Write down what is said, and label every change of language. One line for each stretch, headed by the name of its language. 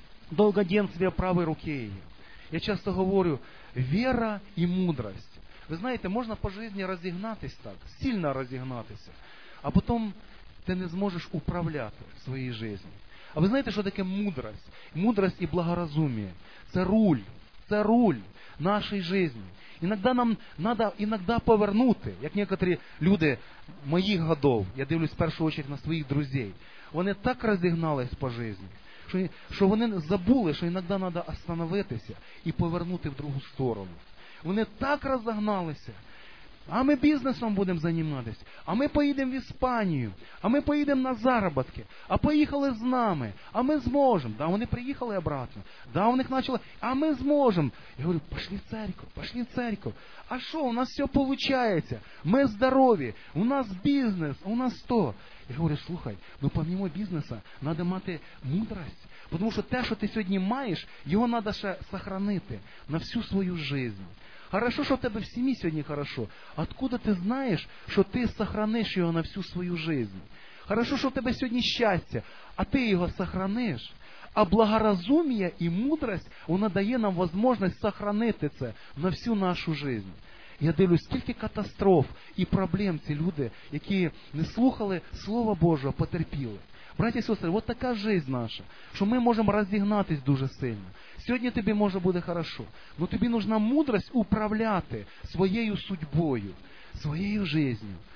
Russian: Долгоденствие правой руке ее. Я часто говорю, вера и мудрость. Вы знаете, можно по жизни разогнаться так, сильно разогнаться, а потом ты не сможешь управлять своей жизнью. А вы знаете, что такое мудрость? Мудрость и благоразумие. Это руль нашей жизни. Иногда нам надо иногда
Ukrainian: повернути, як некоторі люди моїх годів, я дивлюсь в першу очередь на своїх друзів, вони так розігнались по житті, що вони забули, що іноді треба остановитися і повернути в другу сторону. Вони так розігналися, а ми бізнесом будемо займатися, а ми поїдемо в Іспанію, а ми поїдемо на заробітки, а поїхали з нами, а ми зможемо. Да, вони приїхали обратно, да, у них почали, а ми зможемо. Я говорю, пішли в церкву, а що, у нас все виходить, ми здорові, у нас бізнес, у нас то. Я говорю, слухай, ну помимо бізнесу, треба мати мудрость, тому що те, що ти сьогодні маєш, його треба ще зберегти на всю свою життя.
Russian: Хорошо, что у тебя в семье сегодня хорошо. Откуда ты знаешь, что ты сохранишь ее на всю свою жизнь? Хорошо, что у тебя сегодня счастье, а ты его сохранишь. А благоразумие и мудрость, она дает нам возможность сохранить это на всю нашу жизнь.
Ukrainian: Я дивлюсь, скільки катастроф і проблем ці люди, які не слухали Слова Божого, потерпіли. Браті і сестри, от така життя наша, що ми можемо розігнатись дуже сильно. Сьогодні тобі може буде хорошо, але тобі нужна мудрость управляти своєю судьбою, своєю життю.